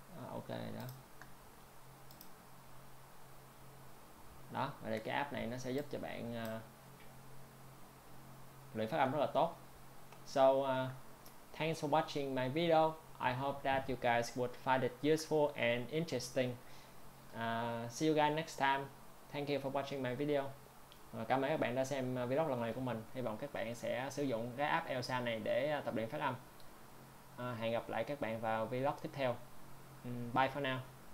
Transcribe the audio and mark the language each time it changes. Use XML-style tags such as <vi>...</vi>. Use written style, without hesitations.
<vi>Ok đó. Đó, và đây cái app này nó sẽ giúp cho bạn luyện phát âm rất là tốt.</vi> <en>So, thanks for watching my video. I hope that you guys would find it useful and interesting. See you guys next time. Thank you for watching my video.</en> <vi>Cảm ơn các bạn đã xem vlog lần này của mình. Hy vọng các bạn sẽ sử dụng cái app Elsa này để tập luyện phát âm. Hẹn gặp lại các bạn vào vlog tiếp theo.</vi> <en>Bye for now.</en>